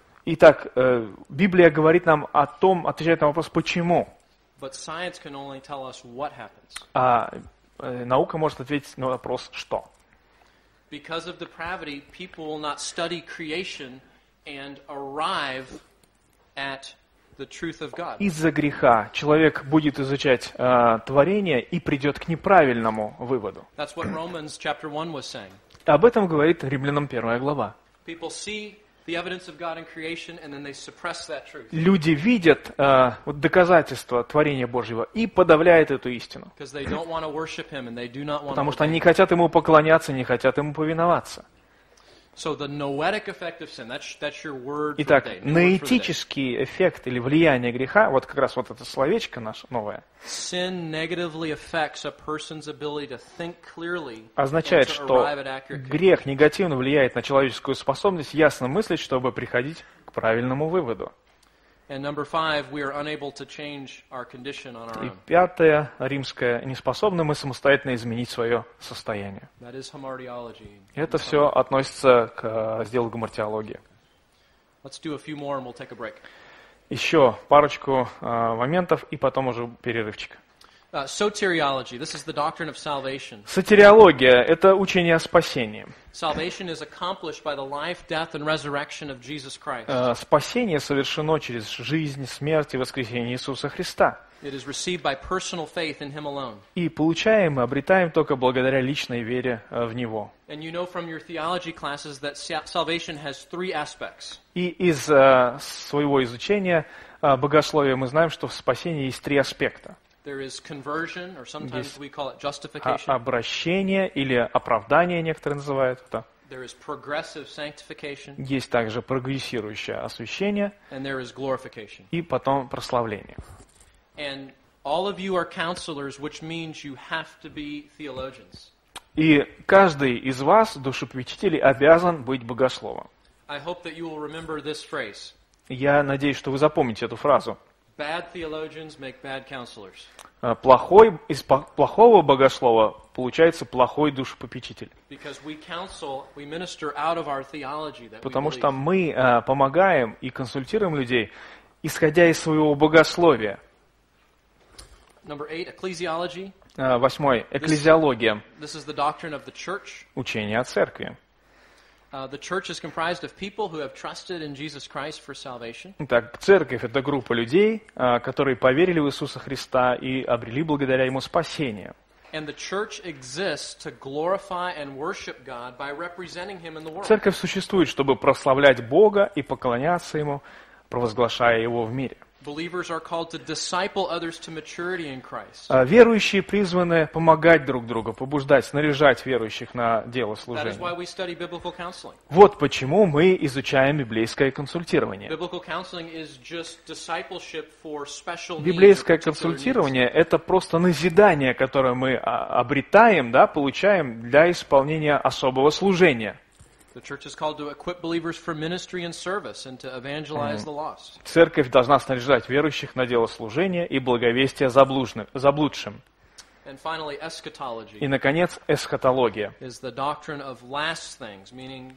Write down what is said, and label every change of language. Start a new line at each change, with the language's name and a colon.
Russian: Итак, Библия говорит нам о том, отвечает на вопрос, почему.
English: But science can only tell us what happens.
Russian: А наука может ответить на вопрос, что.
English: Because of depravity, people will not study creation and arrive at the truth of God.
Russian: Из-за греха человек будет изучать творение и придет к неправильному выводу.
English: That's what Romans chapter 1 was saying.
Russian: Об этом говорит Римлянам 1 глава.
English: People see the evidence of God in creation and then they suppress that truth.
Russian: Люди видят доказательства творения Божьего и подавляют эту истину.
English: Because they don't want to worship him and they do not want.
Russian: Потому что они не хотят ему поклоняться, не хотят ему повиноваться.
English: So the noetic effect of sin, that's your word for the day.
Russian: Итак, ноетический эффект или влияние греха, вот как раз вот это словечко наше новое.
English: Sin negatively affects a person's ability to think clearly.
Russian: Означает, что грех негативно влияет на человеческую способность ясно мыслить, чтобы приходить к правильному выводу.
English: And number 5, we are unable to change our condition on our own.
Russian: И пятое, римское, не способны мы самостоятельно изменить свое состояние.
English: That is hamartiology.
Russian: Это все относится к разделу гамартиологии.
English: Let's do a few more and we'll take a break.
Russian: Еще парочку моментов и потом уже перерывчик.
English: Soteriology. This is the doctrine of salvation.
Russian: Сотериология – это учение о спасении.
English: Salvation is accomplished by the life, death, and resurrection of Jesus Christ.
Russian: Спасение совершено через жизнь, смерть и воскресение Иисуса Христа.
English: It is received by personal faith in Him alone.
Russian: И получаем и обретаем только благодаря личной вере в Него.
English: And you know from your theology classes that salvation has three aspects.
Russian: И из своего изучения богословия мы знаем, что в спасении есть три аспекта.
English: There is conversion, or sometimes we call it justification.
Russian: Обращение или оправдание некоторые называют это.
English: There is progressive sanctification.
Russian: Есть также прогрессирующее освящение.
English: And there is glorification.
Russian: И потом прославление.
English: And all of you are counselors, which means you have to be theologians.
Russian: И каждый из вас, душепопечителей, обязан быть богословом.
English: I hope that you will remember this phrase.
Russian: Я надеюсь, что вы запомните эту фразу.
English: Bad theologians make bad counselors.
Russian: Плохого богослова получается плохой душепопечитель.
English: Because we counsel, we minister out of our theology that we believe.
Russian: Потому что мы помогаем и консультируем людей, исходя из своего богословия.
English: Number 8, ecclesiology.
Russian: Восьмой, экклезиология.
English: This is the doctrine of the church.
Russian: Учение о церкви.
English: The church is comprised of people who have trusted in Jesus Christ for salvation.
Russian: Итак, церковь – это группа людей, которые поверили в Иисуса Христа и обрели благодаря Ему спасение.
English: And the church exists to glorify and worship God by representing Him in the world.
Russian: Церковь существует, чтобы прославлять Бога и поклоняться Ему, провозглашая Его в мире.
English: Believers are called to disciple others to maturity in Christ.
Russian: Верующие призваны помогать друг другу, побуждать, снаряжать верующих на дело служения.
English: That is why we study biblical counseling.
Russian: Вот почему мы изучаем библейское консультирование.
English: Biblical counseling is just discipleship for special needs.
Russian: Библейское консультирование – это просто назидание, которое мы обретаем, да, получаем для исполнения особого служения.
English: The church is called to equip believers for ministry and service and to evangelize the lost.
Russian: Церковь должна снаряжать верующих на дело служения и благовестия заблудшим.
English: And finally, eschatology.
Russian: И наконец, эсхатология.
English: Is the doctrine of last things, meaning